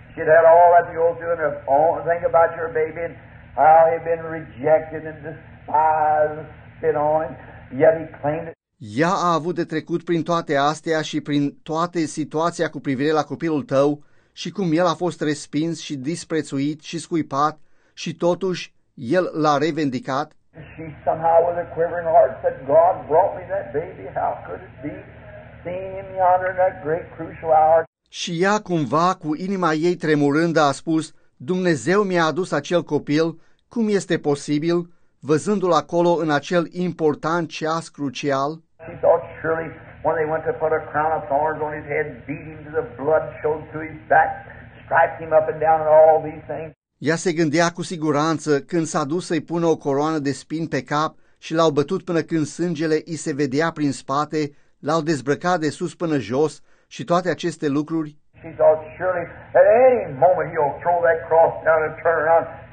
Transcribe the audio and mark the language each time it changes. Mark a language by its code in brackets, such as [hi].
[en] She'd had all that you'll do and think about your baby and how he'd been rejected and despised and spit on, yet he claimed it. [ro] Ea a avut de trecut prin toate astea și prin toate situația cu privire la copilul tău și cum el a fost respins și disprețuit și scuipat și totuși el l-a revendicat. [en] She somehow with a quivering heart said, God brought me that baby, how could it be? Seeing him yonder in that great crucial hour. [ro] Și ea cumva cu inima ei tremurând a spus, Dumnezeu mi-a adus acel copil, cum este posibil? Văzându-l acolo în acel important ceas crucial, [en] she thought surely when they went to put a crown of thorns on his head, beat him to the blood showed through his back, striped him up and down and all these things. [ro] Ea se gândea cu siguranță când s-a dus să-i pună o coroană de spin pe cap și l-au bătut până când sângele i se vedea prin spate, l-au dezbrăcat de sus până jos și toate aceste lucruri. [en] She thought surely at any moment he'll throw that cross down and turn around.